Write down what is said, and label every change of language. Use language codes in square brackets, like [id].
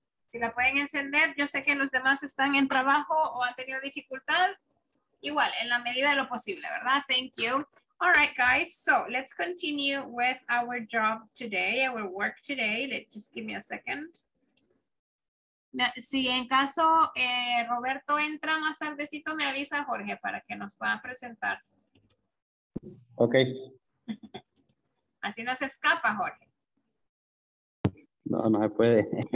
[es] Si la pueden encender, yo sé que los demás están en trabajo o han tenido dificultad. Igual, en la medida de lo posible, ¿verdad? [en] Thank you. All right, guys. So, let's continue with our job today, our work today. Just give me a second. [es] Si en caso Roberto entra más tardecito, me avisa Jorge para que nos pueda presentar. Ok. Así no se escapa, Jorge. No, no se puede.